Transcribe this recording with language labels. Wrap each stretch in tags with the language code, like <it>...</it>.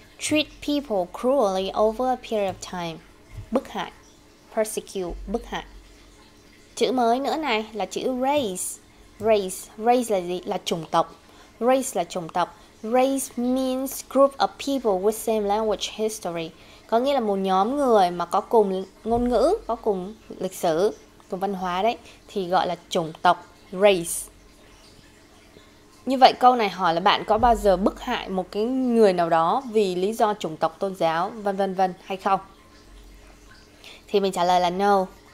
<en>Treat people cruelly over a period of time.</en> <vi>Bức hại. Persecute, bức hại. Chữ mới nữa này là chữ race. Race. Race là gì? Là chủng tộc. Race là chủng tộc.</vi> <en>Race means group of people with same language history.</en> <vi>Có nghĩa là một nhóm người mà có cùng ngôn ngữ, có cùng lịch sử, cùng văn hóa đấy, thì gọi là chủng tộc. Race. Như vậy câu này hỏi là bạn có bao giờ bức hại một cái người nào đó vì lý do chủng tộc, tôn giáo, vân vân vân hay không? Thì mình trả lời là no.</vi>